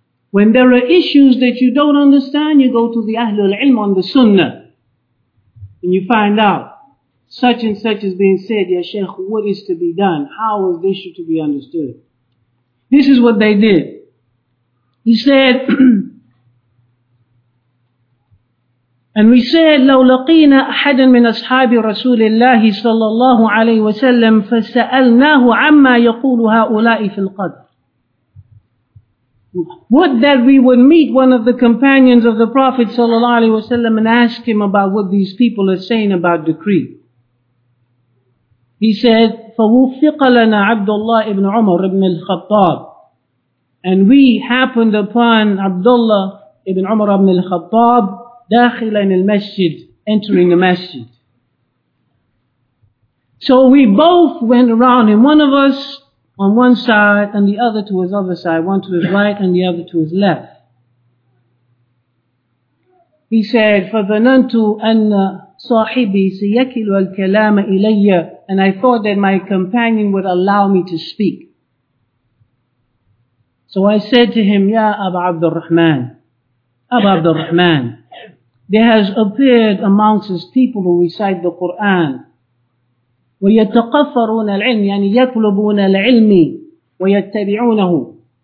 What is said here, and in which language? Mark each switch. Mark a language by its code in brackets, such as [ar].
[en] When there are issues that you don't understand, you go to the Ahlul Ilm on the Sunnah. And you find out, such and such is being said, Ya Shaykh, what is to be done? How is this issue to be understood? This is what they did. He said, and we said, [ar] لَوْ لَقِينَ أَحَدًا مِنْ أَصْحَابِ رَسُولِ اللَّهِ صَلَّى اللَّهُ عَلَيْهِ وَسَلَّمْ فَسَأَلْنَاهُ عَمَّا يَقُولُ هَؤُلَاءِ فِي الْقَدْرِ. [en] Would that we would meet one of the companions of the Prophet sallallahu alaihi wasallam and ask him about what these people are saying about decree. He said, [ar] فَوُفِّقَ لَنَا عَبْدُ اللَّهِ ibn Umar ibn al-Khattab. [en] And we happened upon Abdullah ibn Umar ibn al-Khattab, [ar] داخل المسجد, [en] entering the masjid. So we both went around him, one of us on one side and the other to his other side, one to his right and the other to his left. He said, [ar] فَظَنَنْتُ أَنَّ صَاحِبِي سَيَكِلُ الْكَلَامَ إِلَيَّ. [en] And I thought that my companion would allow me to speak. So I said to him, [ar] يَا أَبَا عَبْدُ الرَّحْمَنِ. [en] أَبَا عَبْدُ الرَّحْمَنِ, there has appeared amongst his people who recite the Quran. [ar] وَيَتَقَفَّرُونَ الْعِلْمِ يعني يَطْلُبُونَ الْعِلْمِ وَيَتَّبِعُونَهُ.